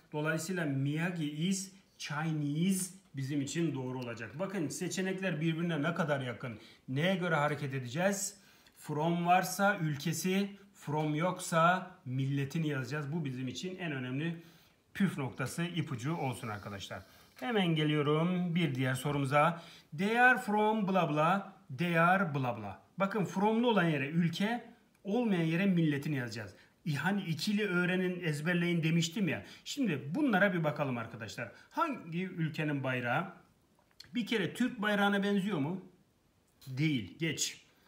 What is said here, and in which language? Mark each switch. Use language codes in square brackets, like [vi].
[tr] Dolayısıyla [en] Miyagi is Chinese [tr] bizim için doğru olacak. Bakın seçenekler birbirine ne kadar yakın. Neye göre hareket edeceğiz? From varsa ülkesi, from yoksa milletini yazacağız. Bu bizim için en önemli püf noktası, ipucu olsun arkadaşlar. Hemen geliyorum bir diğer sorumuza. [en] They are from bla bla, they are bla bla. [tr] Bakın from'lu olan yere ülke, olmayan yere milletini yazacağız. Hani ikili öğrenin, ezberleyin demiştim ya. Şimdi bunlara bir bakalım arkadaşlar. Hangi ülkenin bayrağı? Bir kere Türk bayrağına benziyor mu? Değil. Geç.